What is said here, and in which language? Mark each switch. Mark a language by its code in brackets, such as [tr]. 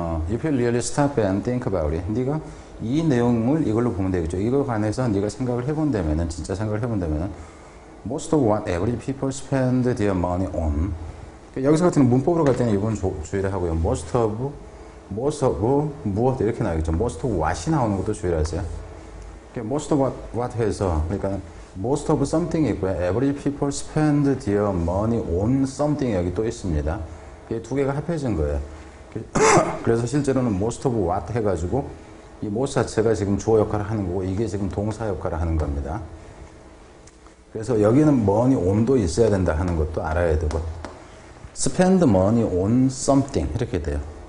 [en] If you really stop and think about it. [ko] 네가 이 내용을 이걸로 보면 되겠죠. 이걸 관해서 네가 생각을 해본다면은 [en] 진짜 생각을 해본다면은 most of what average people spend their money on. [ko] 그러니까 여기서 같은 문법으로 갈 때는 이번 주의를 하고요. Most of 무엇 이렇게 나오겠죠. Most of what이 나오는 것도 주의하세요. 그러니까 most of what 해서 그러니까. [en] Most of something이 있고요. Average people spend their money on something [ko] 여기 또 있습니다. 이게 두 개가 합해진 거예요. 그래서 실제로는 most of what 해가지고 이 most 자체가 지금 주어 역할을 하는 거고 이게 지금 동사 역할을 하는 겁니다. 그래서 여기는 money on도 있어야 된다 하는 것도 알아야 되고 [en] spend money on something [ko] 이렇게 돼요.